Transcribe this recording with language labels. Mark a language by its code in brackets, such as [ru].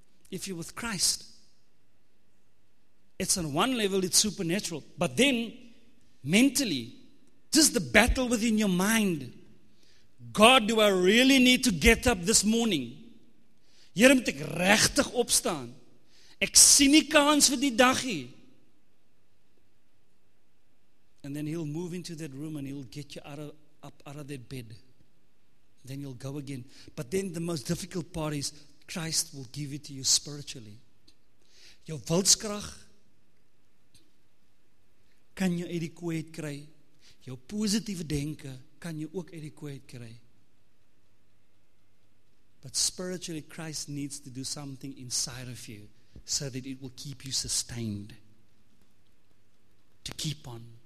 [en] If you're with Christ, it's on one level, it's supernatural. But then, mentally, this is the battle within your mind. God, do I really need to get up this morning? [af] Here moet ek regtig opstaan. Ek sien nie kans vir die dagie. [en] And then he'll move into that room and he'll get you out of that bed. Then you'll go again. But then the most difficult part is Christ will give it to you spiritually. [af] Jou wilskrag kan jou uit die kooi uit kry. Jou positieve denke kan jou ook uit die kooi uit kry. [en] But spiritually Christ needs to do something inside of you so that it will keep you sustained. To keep on.